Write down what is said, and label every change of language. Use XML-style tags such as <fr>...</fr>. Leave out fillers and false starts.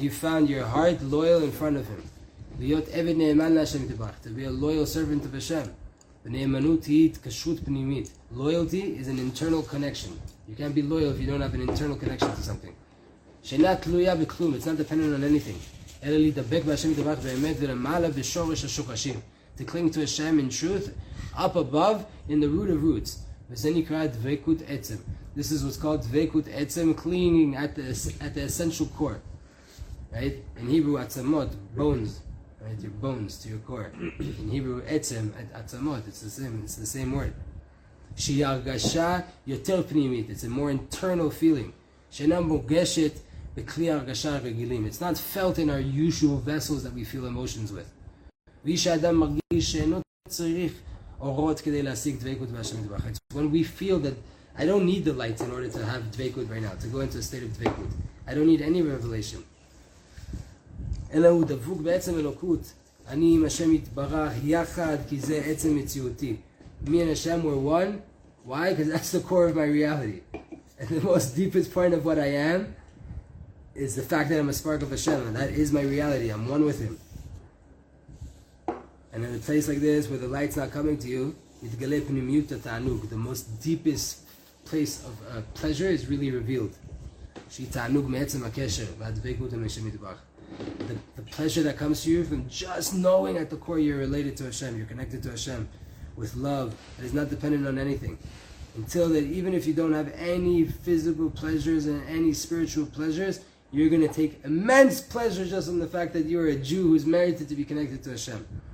<en>You found your heart loyal in front of Him. To be a loyal servant of Hashem. Loyalty is an internal connection. You can't be loyal if you don't have an internal connection to something.</en> <he>שאינה תלויה בכלום,</he> <en>it's not dependent on anything.</en> <he>אלא להידבק בהשם יתברך באמת ולמעלה בשורש השורשים.</he> <en>To cling to Hashem in truth, up above, in the root of roots.</en> <he>וזה נקרא דבקות עצם.</he> <en>This is what's called דבקות עצם, clinging at the essential core. Right? In Hebrew, עצמות, bones. Right? Your bones to your core. In Hebrew, עצם, עצמות, it's the same word.</en> <he>שהיא הרגשה יותר פנימית,</he> <en>it's a more internal feeling.</en> <he>שאינה מוגשת, בכלי הרגשה הרגילים.</he> <en>It's not felt in our usual vessels that we feel emotions with.</en> <he>ואיש האדם מרגיש שאינו צריך אורות כדי להשיג דבקות בהשם יתברך.</he> <en>It's when we feel that I don't need the lights in order to have דבקות right now, to go into a state of דבקות. I don't need any revelation.</en> <he>אלא הוא דבוק בעצם אלוקות. אני עם השם יתברך יחד כי זה עצם מציאותי.</he> <en>Me and Hashem were one. Why? Because that's the core of my reality. And the most deepest point of what I am is the fact that I'm a spark of Hashem. That is my reality. I'm one with Him. And in a place like this, where the light's not coming to you,</en> <he>יתגלה פנימיות התענוג.</he> <en>The most deepest place of pleasure is really revealed.</en> <he>שהיא תענוג מעצם הקשר, והדבקות עם השם יתברך.</he> <en>The pleasure that comes to you from just knowing at the core you're related to Hashem, you're connected to Hashem, with love, that is not dependent on anything. Until that, even if you don't have any physical pleasures and any spiritual pleasures, you're going to take immense pleasure just in the fact that you're a Jew who's merited to be connected to Hashem.</en>